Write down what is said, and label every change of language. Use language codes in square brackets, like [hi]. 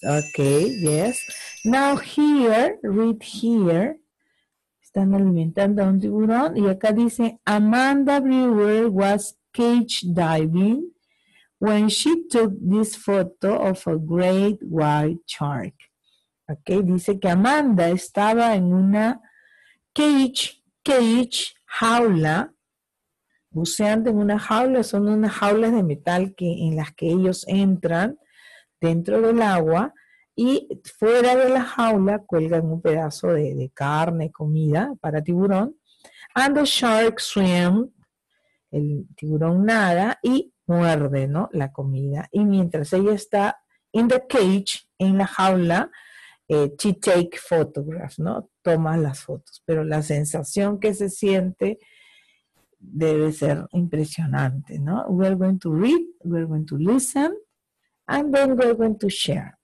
[en] Okay, yes. Now here, read here. [es] ¿Están alimentando a un tiburón? Y acá dice, [en] Amanda Brewer was cage diving when she took this photo of a great white shark. [es] Okay, dice que Amanda estaba en una cage, jaula, buceando en una jaula, son unas jaulas de metal que, en las que ellos entran dentro del agua, Y fuera de la jaula cuelgan un pedazo de carne, comida para tiburón. [en] And the shark swim. [es] El tiburón nada y muerde, ¿no?, la comida. Y mientras ella está [en] in the cage, [es] en la jaula, [en] she take photographs, [es] ¿no? Toma las fotos. Pero la sensación que se siente debe ser impresionante, ¿no? [en] We're going to read, we're going to listen, and then we're going to share.